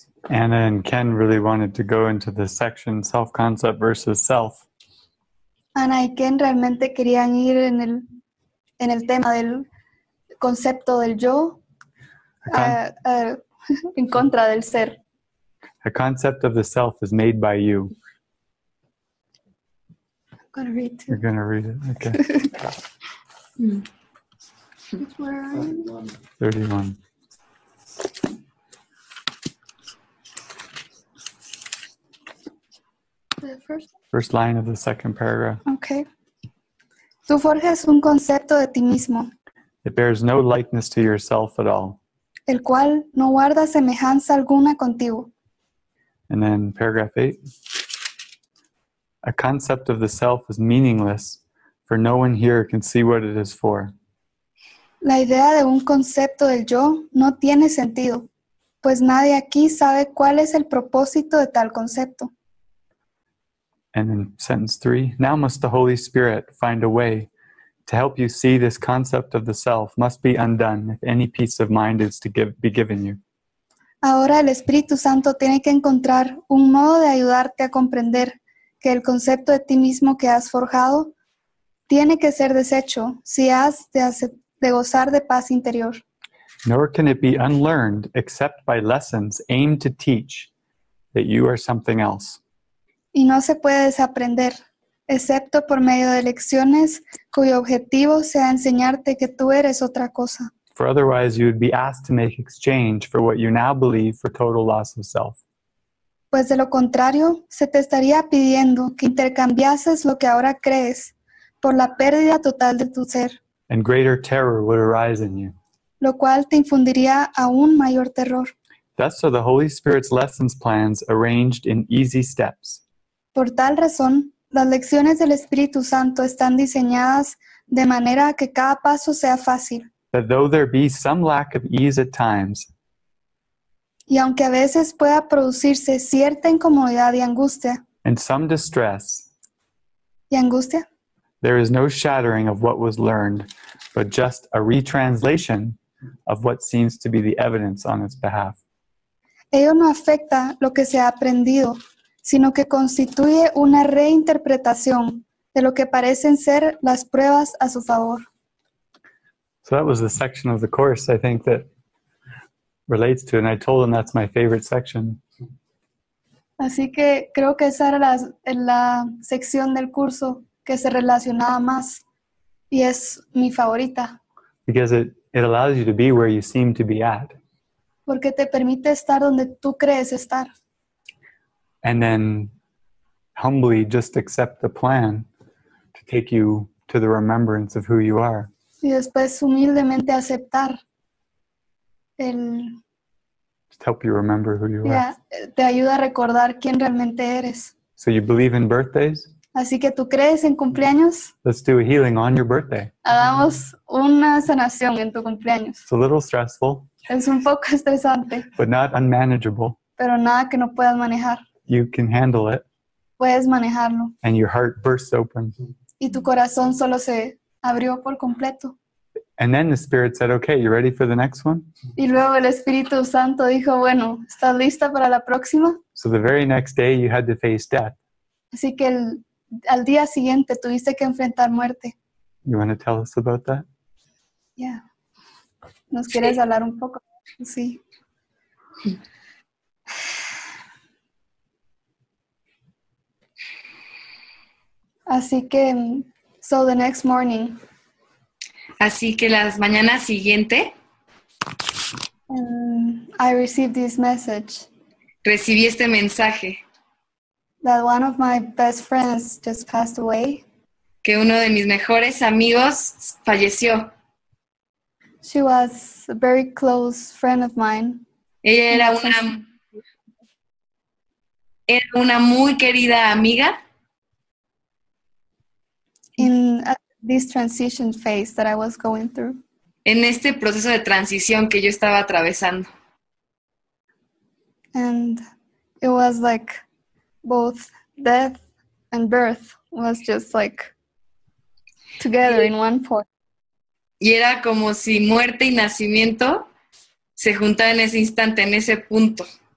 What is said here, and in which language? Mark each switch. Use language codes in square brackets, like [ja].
[en] Anna and Ken really wanted to go into the section self-concept versus self. [es] Ana y Ken realmente querían ir en el tema del concepto del yo en contra del ser. [en] A concept of the self is made by you. I'm going to read it. You're going to read it, okay. Which one? 31. The first line of the second paragraph. [es] Okay. Tú forjas un concepto de ti mismo. [en] It bears no likeness to yourself at all. [es] El cual no guarda semejanza alguna contigo. [en] And then paragraph 8. A concept of the self is meaningless, for no one here can see what it is for. [es] La idea de un concepto del yo no tiene sentido, pues nadie aquí sabe cuál es el propósito de tal concepto. [en] And in sentence 3, now must the Holy Spirit find a way to help you see this concept of the self must be undone if any peace of mind is to be given you. [es] Ahora el Espíritu Santo tiene que encontrar un modo de ayudarte a comprender que el concepto de ti mismo que has forjado tiene que ser deshecho si has de gozar de paz interior. [en] Nor can it be unlearned except by lessons aimed to teach that you are something else. [es] Y no se puede desaprender, excepto por medio de lecciones cuyo objetivo sea enseñarte que tú eres otra cosa. [en] For otherwise you would be asked to make exchange for what you now believe for total loss of self. [es] Pues de lo contrario, se te estaría pidiendo que intercambiases lo que ahora crees por la pérdida total de tu ser. [en] And greater terror would arise in you. [es] Lo cual te infundiría aún mayor terror. [en] Thus are the Holy Spirit's lessons plans arranged in easy steps. [es] Por tal razón, las lecciones del Espíritu Santo están diseñadas de manera que cada paso sea fácil. [en] That though there be some lack of ease at times, [es] y aunque a veces pueda producirse cierta incomodidad y angustia, [en] and some distress, [es] y angustia, [en] there is no shattering of what was learned, but just a retranslation of what seems to be the evidence on its behalf. [es] Ello no afecta lo que se ha aprendido, sino que constituye una reinterpretación de lo que parecen ser las pruebas a su favor. [en] So that was the section of the course, I think, that relates to, and I told them that's my favorite section. [es] Así que creo que esa era la sección del curso que se relacionaba más, y es mi favorita. [en] Because it allows you to be where you seem to be at. [es] Porque te permite estar donde tú crees estar. [en] And then humbly just accept the plan to take you to the remembrance of who you are. [es] Y después humildemente aceptar el... [en] Just help you remember who you are. [es] Yeah, te ayuda a recordar quién realmente eres. [en] So you believe in birthdays? [es] Así que tú crees en cumpleaños? [en] Let's do a healing on your birthday. [es] Hagamos una sanación en tu cumpleaños. [en] It's a little stressful. [es] Es un poco estresante. [en] But not unmanageable. [es] Pero nada que no puedas manejar. [en] You can handle it. [es] Puedes manejarlo. [en] And your heart bursts open. [es] Y tu corazón solo se abrió por completo. [en] And then the Spirit said, okay, you ready for the next one? [es] Y luego el Espíritu Santo dijo, bueno, ¿estás lista para la próxima? [en] So the very next day you had to face death. [es] Así que al día siguiente tuviste que enfrentar muerte. [en] You want to tell us about that? [es] Yeah. ¿Nos quieres sí. hablar un poco? Sí. Así que, [en] so the next morning. [es] Así que las mañanas siguiente. [en] I received this message. [es] Recibí este mensaje. [en] That one of my best friends just passed away. [es] Que uno de mis mejores amigos falleció. [en] She was a very close friend of mine. [es] Ella era una muy querida amiga. [en] In this transition phase that I was going through. [es] En este proceso de transición que yo estaba atravesando. [en] And it was like both death and birth was just like together in one point. [es] Y era como si muerte y nacimiento se juntaran en ese instante, en ese punto.